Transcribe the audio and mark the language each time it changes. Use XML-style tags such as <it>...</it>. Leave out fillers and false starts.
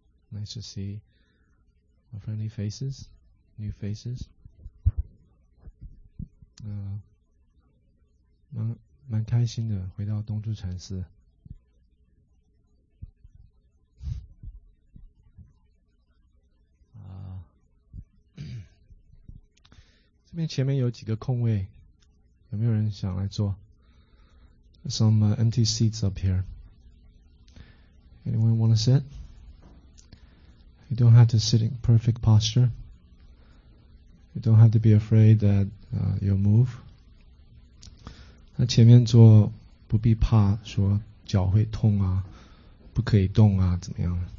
<en>Nice to see our friendly faces, new faces.</en> <zh>蛮开心的，回到东珠禅寺。这边前面有几个空位，有没有人想来坐 ？</zh> <en>Some empty seats up here. Anyone want to sit? You don't have to sit in perfect posture. You don't have to be afraid that you'll move.</en> <zh>那前面坐不必怕说脚会痛啊，不可以动啊，怎么样？</zh>